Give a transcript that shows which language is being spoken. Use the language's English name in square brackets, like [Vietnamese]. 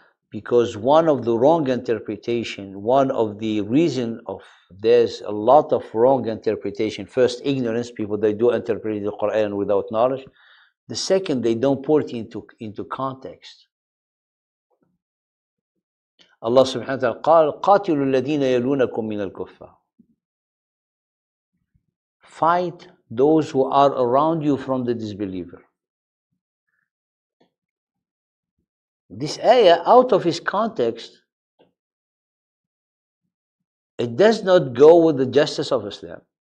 [English] Because one of the wrong interpretation, one of the reason of there's a lot of wrong interpretation. First, ignorance, people they do interpret the Quran without knowledge. The second, they don't put it into context. [Arabic] Allah subhanahu wa ta'ala قال قاتلوا الذين يلونكم من الكفار. [English] Fight those who are around you from the disbeliever. This ayah, out of its context, it does not go with the justice of Islam.